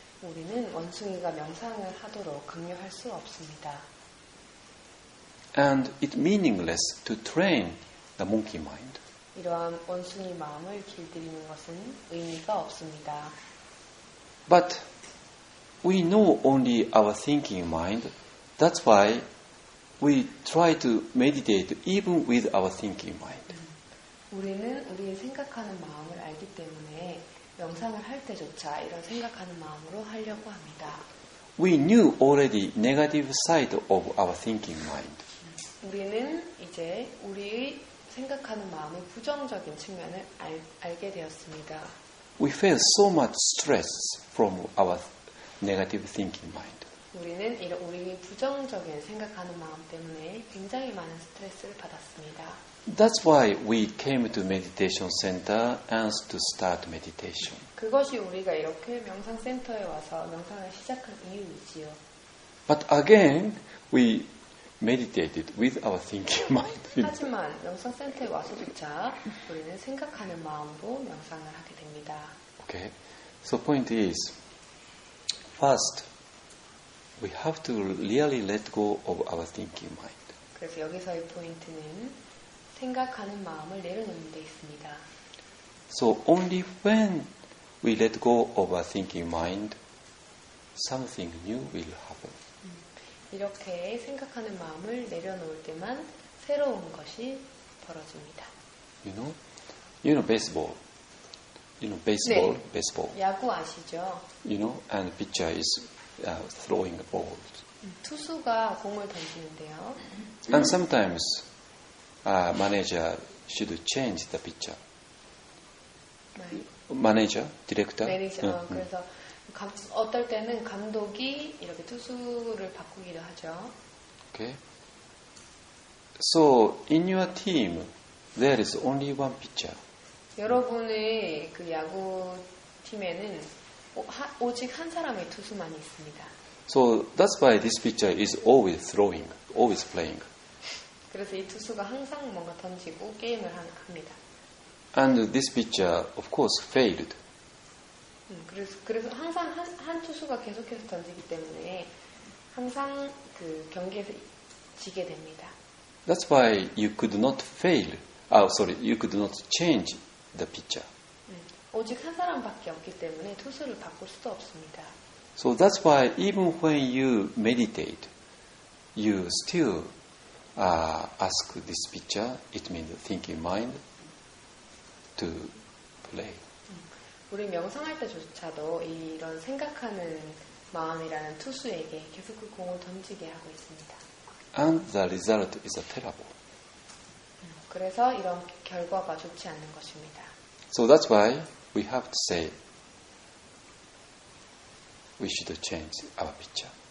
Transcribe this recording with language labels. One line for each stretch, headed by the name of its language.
Korean: 우리는 원숭이가 명상을 하도록 강요할 수 없습니다.
English: And it meaningless to train the monkey mind.
Korean: 이러한 원숭이 마음을 길들이는 것은 의미가 없습니다.
English: But we know only our thinking mind. That's why we try to meditate even with our thinking mind.
Korean: 우리는 우리의 생각하는 마음을 알기 때문에 명상을 할 때조차 이런 생각하는 마음으로 하려고 합니다.
English: We knew already negative side of our thinking mind.
Korean: 우리는 이제 우리의 생각하는 마음의 부정적인 측면을 알게 되었습니다.
English: We felt so much stress from our negative thinking mind.
Korean: 우리는 이런 우리의 부정적인 생각하는 마음 때문에 굉장히 많은 스트레스를 받았습니다.
English: That's why we came to meditation center and to start meditation.
Korean: 그것이 우리가 이렇게 명상 센터에 와서 명상을 시작한 이유이지요.
English: But again, we meditated with our thinking mind.
Korean: 하지만 명상 센터에 와서조차 우리는 생각하는 마음으로 명상을 하게 됩니다.
English: Okay. So point is, first, we have to really let go of our thinking mind.
Korean: 그래서 여기서의 포인트는 생각하는 마음을 내려놓는 데 있습니다.
English: So only when we let go of our thinking mind, something new will happen.
Korean: 이렇게 생각하는 마음을 내려놓을 때만 새로운 것이 벌어집니다.
English: You know baseball. You know baseball.
Korean: 네.
English: Baseball.
Korean: 야구 아시죠?
English: You know, and pitcher is throwing balls.
Korean: 투수가 공을 던지는데요.
English: And sometimes. Manager should change the pitcher. Manager, director. Manager.
Korean: 그래서 어떨 때는 감독이 이렇게 투수를 바꾸기도 하죠.
English: Okay. So in your team, there is only one pitcher.
Korean: 여러분의 그 야구 팀에는 오직 한 사람의 투수만 있습니다.
English: So that's why this pitcher is always throwing, always playing.
Korean: 그래서 이 투수가 항상 뭔가 던지고 게임을 합니다.
English: And this pitcher, of course, failed.
Korean: 그래서 항상 한 투수가 계속해서 던지기 때문에 항상 그 경기에서 지게 됩니다.
English: That's why you could not fail. You could not change the pitcher.
Korean: 오직 한 사람밖에 없기 때문에 투수를 바꿀 수도 없습니다.
English: So that's why even when you meditate, you still ask this pitcher, it means thinking mind, to play.
Korean: 우리 명상할 때조차도 이런 생각하는 마음이라는 투수에게 계속 그 공을 던지게 하고 있습니다.
English: And the result is terrible.
Korean: 그래서 이런 결과가 좋지 않는 것입니다.
English: So that's why we have to say we should change our pitcher.